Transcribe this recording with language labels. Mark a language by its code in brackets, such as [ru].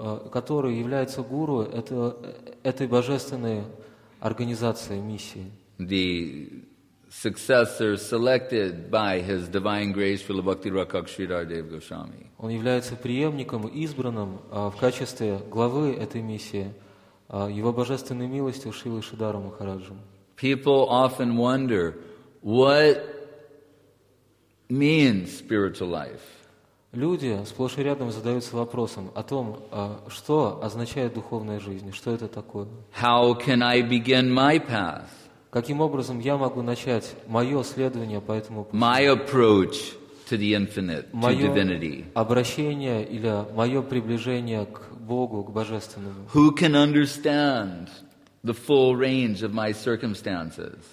[ru] который является гуру этой божественной организации, миссии. [en] The successor selected by his divine grace Srila Bhakti Rakak Sridhar Dev Goswami. [ru] Он является преемником, избранным в качестве главы этой миссии Его божественной милостью Шрилы Шридхара Махараджа. [en] People often wonder, what means spiritual life? [ru] Люди сплошь и рядом задаются вопросом о том, что означает духовная жизнь, что это такое. [en] How can I begin my path? [ru] Каким образом я могу начать мое следование по этому пути? [en] My approach to the infinite, to divinity. [ru] Мое обращение или мое приближение к Богу, к божественному. [en] Who can understand the full range of my circumstances?